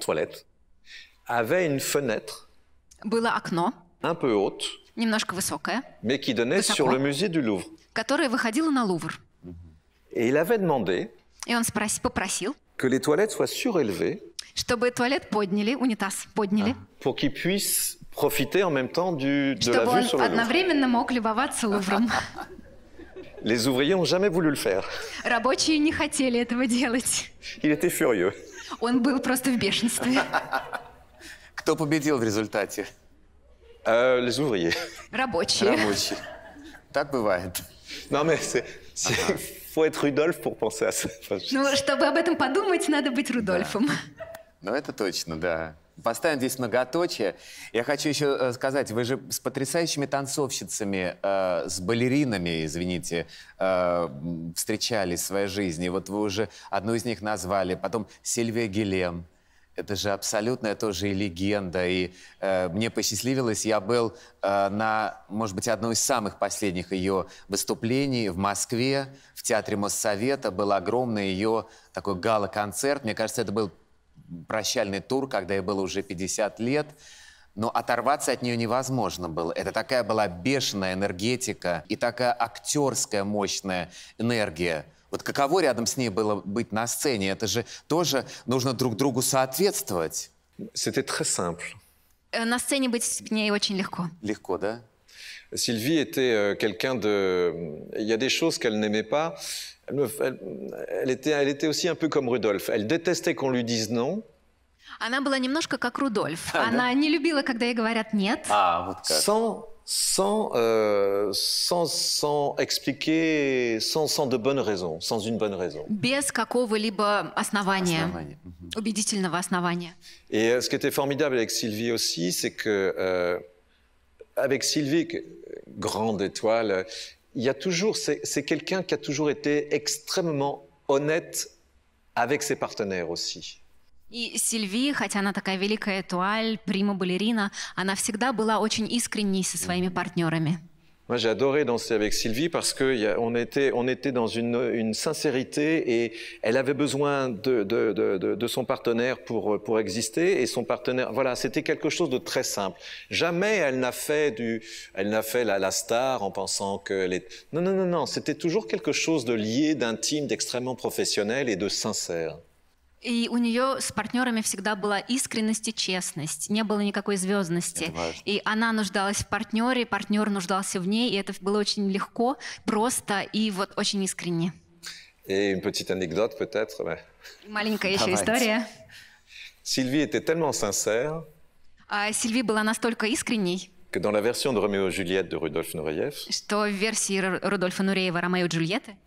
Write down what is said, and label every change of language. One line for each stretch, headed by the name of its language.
French: Toilette. Avait une fenêtre.
Russian: Было окно,
French: un peu haute,
Russian: немножко высокое,
French: mais qui donnait
Russian: высоко,
French: sur le musée du Louvre,
Russian: которое выходило на Лувр.
French: Et il avait demandé,
Russian: и он попросил,
French: que les toilettes soient surélevées,
Russian: чтобы туалет подняли, унитаз подняли,
French: pour qu'il puisse profiter en même temps de la vue sur le Louvre.
Russian: Чтобы он одновременно мог любоваться Лувром.
French: Les ouvriers ont jamais voulu le faire.
Russian: Рабочие не хотели этого делать.
French: Il était furieux.
Russian: Он был просто в бешенстве. Кто победил в результате?
French: Les ouvriers.
Russian: Рабочие. Рабочие. Так бывает. Non, mais c'est, faut être Rudolf pour penser à ça. Ну, чтобы об этом подумать, надо быть Рудольфом. Да. Ну, это точно, да. Поставим здесь многоточие. Я хочу еще сказать, вы же с потрясающими танцовщицами, с балеринами, извините, встречались в своей жизни. Вот вы уже одну из них назвали. Потом Сильвия Гилем. Это же абсолютная тоже и легенда. И мне посчастливилось, я был на, может быть, одной из самых последних ее выступлений в Москве, в Театре Моссовета. Был огромный ее такой гала-концерт. Мне кажется, это был прощальный тур, когда ей было уже 50 лет. Но оторваться от нее невозможно было. Это такая была бешеная энергетика и такая актерская мощная энергия. Вот каково рядом с ней было быть на сцене? Это же тоже нужно друг другу соответствовать.
French: C'était très simple.
Russian: На сцене быть с ней очень легко. Легко, да?
French: Sylvie était quelqu'un de... Il y a des choses qu'elle n'aimait pas. Elle était aussi un peu comme Rudolf. Elle détestait qu'on lui dise non.
Russian: Она была немножко как Рудольф. Она не любила, когда ей говорят «нет». А, вот как.
French: Sans expliquer, sans une bonne raison.
Russian: Без какого-либо основания, mm-hmm. убедительного основания.
French: Et ce qui était formidable avec Sylvie aussi, c'est que, avec Sylvie, grande étoile, il y a toujours, c'est quelqu'un qui a toujours été extrêmement honnête avec ses partenaires aussi.
Russian: И Сильви, хотя она такая великая туаль, прима-балерина, она всегда была очень искренней со своими партнерами.
French: Moi, j'ai adoré danser avec Sylvie parce que on était dans une sincérité et elle avait besoin de son partenaire pour exister et son partenaire voilà c'était quelque chose de très simple. Jamais elle n'a fait la star en pensant que les non c'était toujours quelque chose de lié, d'intime, d'extrêmement professionnel et de sincère.
Russian: И у нее с партнерами всегда была искренность и честность. Не было никакой звездности. И она нуждалась в партнере, партнер нуждался в ней. И это было очень легко, просто и вот очень искренне.
French: И une petite anecdote, peut-être.
Russian: Маленькая еще история.
French: Sylvie était tellement sincère.
Russian: Sylvie была настолько искренней.
French: Que dans la version de Roméo et Juliette de Rudolf Nureyev.
Russian: Что в версии Рудольфа Нуреева Ромео и Джульетты.